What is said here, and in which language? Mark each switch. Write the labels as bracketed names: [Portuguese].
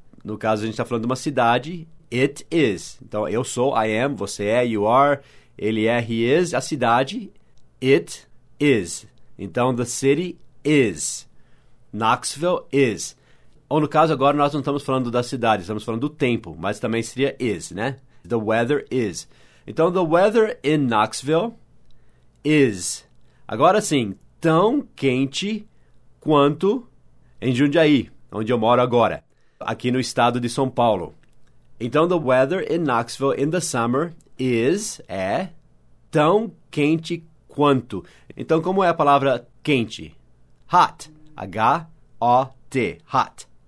[Portuguese] No caso, a gente está falando de uma cidade, [English] it is. [Portuguese] Então, eu sou, [English] I am, [Portuguese] você é, [English] you are, [Portuguese] ele é, [English] he is, [Portuguese] a cidade, it is. Então, [English] the city is. Knoxville is. [Portuguese] Ou no caso, agora nós não estamos falando da cidade, estamos falando do tempo, mas também seria is, né? [English] The weather is. Então, the weather in Knoxville is. [Portuguese] Agora sim, tão quente quanto em Jundiaí, onde eu moro agora, aqui no estado de São Paulo. Então, [English] the weather in Knoxville in the summer is, [Portuguese] é, tão quente quanto. Então, como é a palavra quente? Hot, H-O-T, hot.